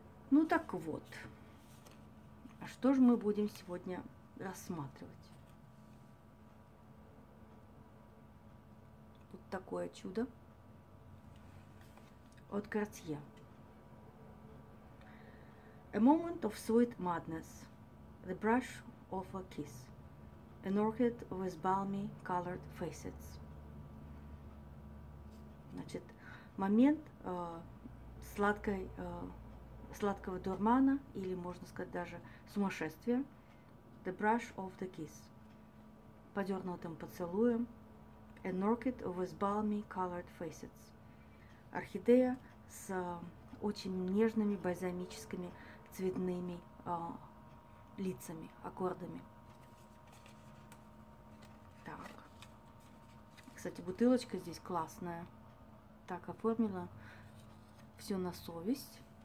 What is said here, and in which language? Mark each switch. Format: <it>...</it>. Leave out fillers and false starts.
<ru>Ну так вот, а что же мы будем сегодня рассматривать? Вот такое чудо от Cartier.</ru> <en>A moment of sweet madness, the brush of a kiss, an orchid with balmy colored facets.</en> <ru>Значит, момент сладкого дурмана, или можно сказать даже сумасшествия.</ru> <en>The brush of the kiss.</en> <ru>Подернутым поцелуем.</ru> <en>An orchid with balmy colored facets.</en> <ru>Орхидея с очень нежными бальзамическими цветными лицами, аккордами. Так. Кстати, бутылочка здесь классная. Так оформила все на совесть.</ru>